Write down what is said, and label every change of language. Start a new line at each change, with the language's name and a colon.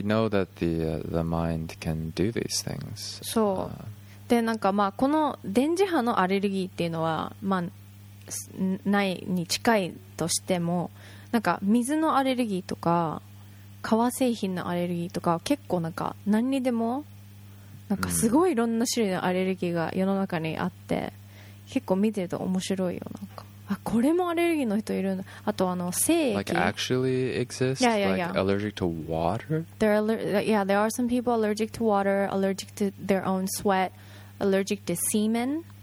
English: know that the mind can do these things.
Japanese: そう。で、なんかまあこの電磁波のアレルギーっていうのは、まあ、ないに近いとしても、なんか水のアレルギーとか、革製品のアレルギーとか結構なんか何にでもなんかすごいいろんな種類のアレルギーが世の中にあって結構見てると面白いよ。なんかあこれもアレルギーの人いるんだ。あとあの精液
English: like actually exist like allergic to water there are some people allergic to water, allergic to their own sweat, allergic to semen,